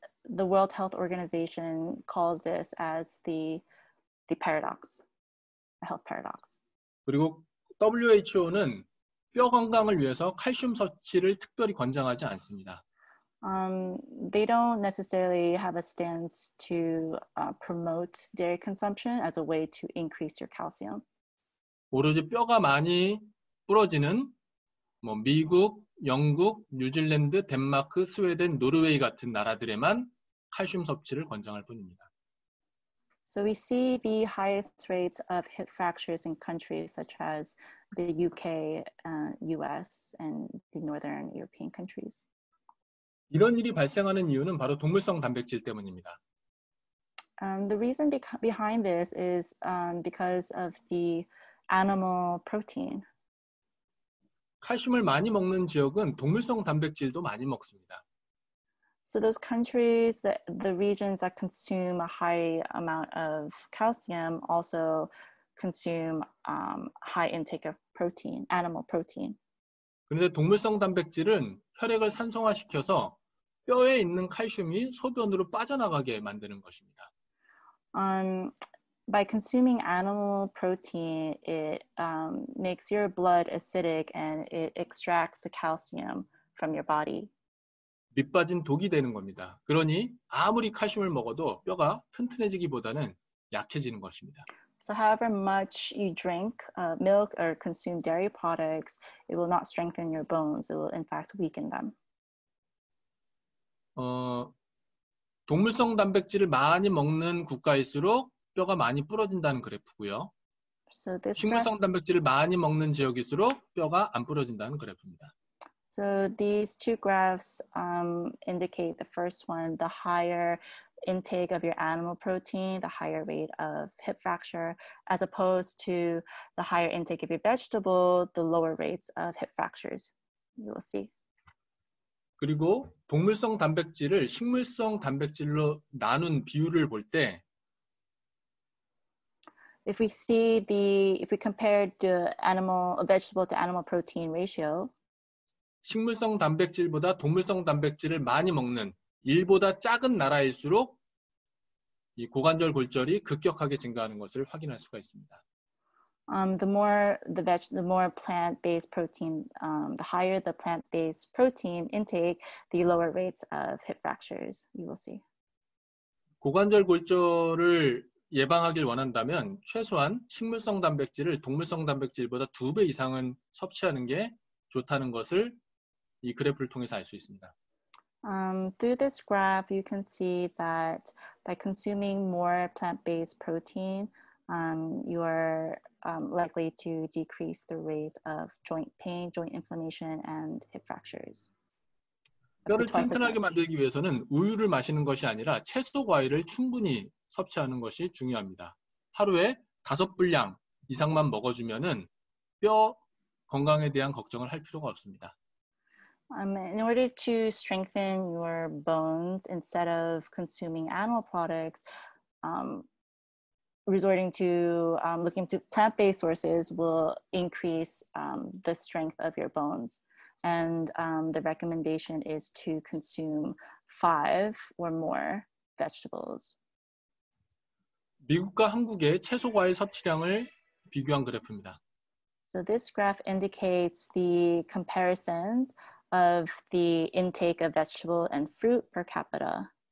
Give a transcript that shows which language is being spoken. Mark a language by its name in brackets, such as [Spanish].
[English] The World Health Organization calls this as the paradox, the health paradox. [Korean] 그리고 WHO는 뼈 건강을 위해서 칼슘 섭취를 특별히 권장하지 않습니다. [English] They don't necessarily have a stance to promote dairy consumption as a way to increase your calcium. [Korean] 오로지 뼈가 많이 부러지는 뭐 미국, 영국, 뉴질랜드, 덴마크, 스웨덴, 노르웨이 같은 나라들에만 칼슘 섭취를 권장할 뿐입니다. [English] So we see the highest rates of hip fractures in countries such as the UK, US, and the northern European countries. [Korean] 이런 일이 발생하는 이유는 바로 동물성 단백질 때문입니다. [English] The reason behind this is because of the animal protein. [Korean] 칼슘을 많이 먹는 지역은 동물성 단백질도 많이 먹습니다. [English] So those countries, the regions that consume a high amount of calcium also consume high intake of protein, animal protein. [Korean] 그런데 동물성 단백질은 혈액을 산성화시켜서 뼈에 있는 칼슘이 소변으로 빠져나가게 만드는 것입니다. [English] By consuming animal protein, it makes your blood acidic and it extracts the calcium from your body. [Korean] 밑빠진 독이 되는 겁니다. 그러니 아무리 칼슘을 먹어도 뼈가 튼튼해지기보다는 약해지는 것입니다. [English] So however much you drink milk or consume dairy products, it will not strengthen your bones. It will in fact weaken them. [Korean] 동물성 단백질을 많이 먹는 국가일수록 뼈가 많이 부러진다는 그래프고요. [English] So this [Korean] 식물성 단백질을 많이 먹는 지역일수록 뼈가 안 부러진다는 그래프입니다. [English] So these two graphs indicate the first one, the higher intake of your animal protein, the higher rate of hip fracture, as opposed to the higher intake of your vegetable, the lower rates of hip fractures. You will see. [Korean] 그리고 동물성 단백질을 식물성 단백질로 나눈 비율을 볼 때, [English] if we compare the animal vegetable to animal protein ratio. [Korean] 식물성 단백질보다 동물성 단백질을 많이 먹는 일보다 작은 나라일수록 이 고관절 골절이 급격하게 증가하는 것을 확인할 수가 있습니다. [English] The more plant-based protein, the higher the plant-based protein intake, the lower rates of hip fractures you will see. [Korean] 고관절 골절을 예방하길 원한다면 최소한 식물성 단백질을 동물성 단백질보다 두 배 이상은 섭취하는 게 좋다는 것을 이 그래프를 통해서 알 수 있습니다. [English] Through this graph, you can see that by consuming more plant-based protein, you are likely to decrease the rate of joint pain, joint inflammation, and hip fractures. [Korean] 뼈를 튼튼하게 만들기 위해서는 우유를 마시는 것이 아니라 채소 과일을 충분히 섭취하는 것이 중요합니다. 하루에 5분량 이상만 먹어주면은 뼈 건강에 대한 걱정을 할 필요가 없습니다. [English] In order to strengthen your bones, instead of consuming animal products, resorting to looking to plant-based sources will increase the strength of your bones. And the recommendation is to consume 5 or more vegetables. [Korean] 미국과 한국의 채소 과일 섭취량을 비교한 그래프입니다. [English] So this graph indicates the comparison of the intake of vegetable and fruit per capita.